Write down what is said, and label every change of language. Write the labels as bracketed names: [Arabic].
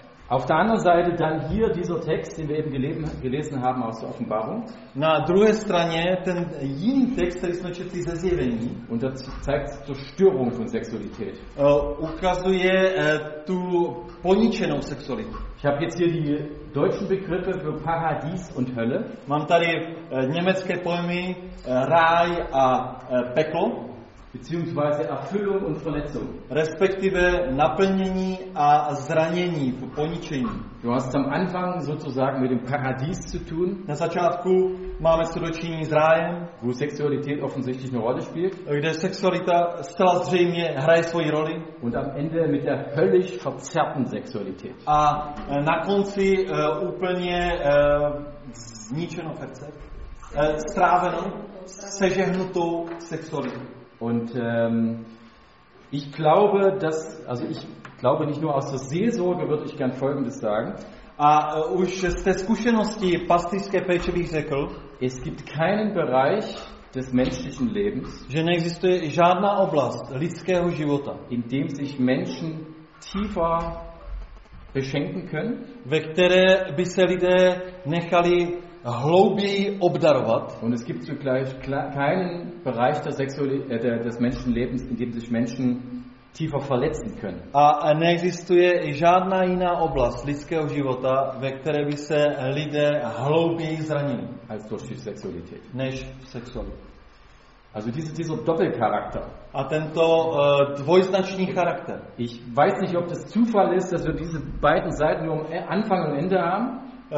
[German] Auf der anderen Seite dann hier dieser Text, den wir eben gelesen haben aus der Offenbarung. [Czech] Na druhé straně ten jiný text, který jsme četli ze Zjevení, [German] und das zeigt zur Störung von Sexualität. [Czech] Ukazuje tu poničenou sexualitu. [German] Ich habe jetzt hier die deutschen Begriffe für Paradies und Hölle. [Czech] Mám tady německé pojmy ráj a peklo, [German] beziehungsweise Erfüllung und Verletzung. [Czech] Respektive naplnění a zranění, poničení. [German] Du hast am Anfang sozusagen mit dem Paradies zu tun. [Czech] Na začátku máme se dočinění s rájem, [German] wo Sexualität offensichtlich eine Rolle spielt. [Czech] Kde sexualita zcela zřejmě hraje svoji roli. [German] Und am Ende mit der höllisch verzerrten Sexualität. [Czech] A na konci úplně zničeno srdce. Strávenou, sežehnutou sexualitou. [German] Und ich glaube, dass, also ich glaube nicht nur aus der Seelsorge würde ich gern Folgendes sagen. [Czech] Už z té zkušenosti pastýřské péče bych řekl, [German] es gibt keinen Bereich des menschlichen Lebens, [Czech] že neexistuje žádná oblast lidského života, [German] in dem sich Menschen tiefer beschenken können, [Czech] ve které by se lidé nechali hlouběji obdarovat. [German] Und es gibt zugleich keinen Bereich der des Menschenlebens, in dem sich Menschen tiefer verletzen können. [Czech] A neexistuje žádná jiná oblast lidského života, ve které by se lidé hlouběji zranili. [German] Als durch die Sexualität. [Czech] Než sexuálně. [German] Also dieser Doppelcharakter. [Czech] A tento dvojznačný charakter. [German] Ich weiß nicht, ob das Zufall ist, dass wir diese beiden Seiten nur am Anfang und Ende haben.